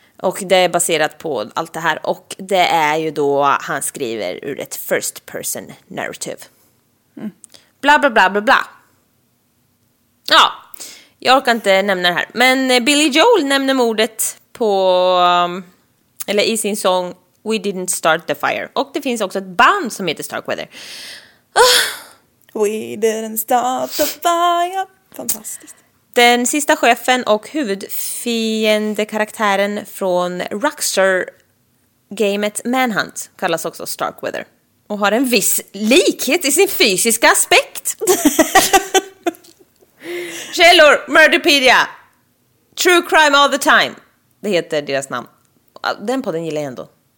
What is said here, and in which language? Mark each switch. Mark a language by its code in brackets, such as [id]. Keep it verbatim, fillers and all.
[sv] Och det är baserat på allt det här. Och det är ju då han skriver ur ett [en] first person narrative. [sv] Mm. Bla bla bla bla bla. Ja. Jag orkar inte nämna det här. Men Billy Joel nämner mordet på, eller i sin sång We Didn't Start the Fire. Och det finns också ett band som heter Starkweather. [en] Oh. We didn't start the fire. [sv] Fantastiskt. Den sista chefen och huvudfiendekaraktären från Rockstar-gamet Manhunt kallas också Starkweather. Och har en viss likhet i sin fysiska aspekt. Källor, Murderpedia, True Crime All The Time. Det heter deras namn. Den podden gillar jag ändå.